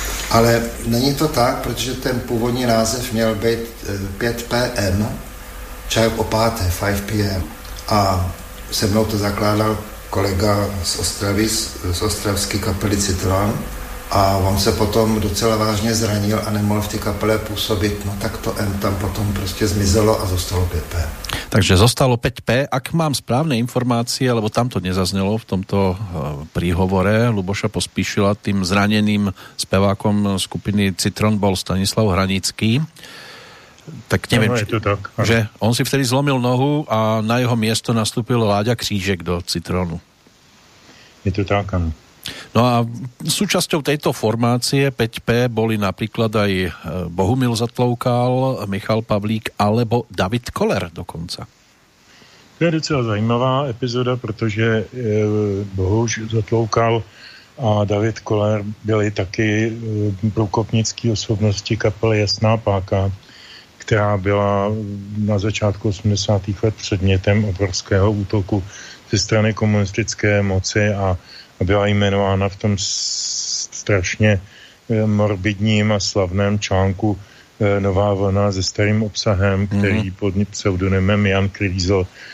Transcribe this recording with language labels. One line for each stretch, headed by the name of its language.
Czech: Ale není to tak, protože ten původní název měl být 5PM, čaj o páté, 5PM. A se mnou to zakládal kolega z Ostravy, z ostravské kapely Citroën, a on se potom docela vážně zranil a nemohl v té kapele působit, no tak to M tam potom prostě zmizelo a zostalo 5P.
Slovak: Takže zostalo 5P, ak mám správné informácie, lebo tam to nezaznelo v tomto príhovore, Luboša Pospíšila, tým zraneným spevákom skupiny Citroën bol Stanislav Hranický. Tak neviem, no, je to tak, že on si vtedy zlomil nohu a na jeho miesto nastúpil Láďa Křížek do Citroënu.
Czech: Je to tak, ano.
Slovak: No a súčasťou tejto formácie 5P boli napríklad aj Bohumil Zatloukal, Michal Pavlík alebo David Koller dokonca.
Czech: To je docela zajímavá epizoda, protože Bohuš Zatloukal a David Koller byli taky průkopnické osobnosti kapely Jasná páka, která byla na začátku 80. let předmětem obrovského útoku ze strany komunistické moci a byla jmenována v tom strašně morbidním a slavném článku Nová vlna se starým obsahem, který pod pseudonymem Jan Krýzl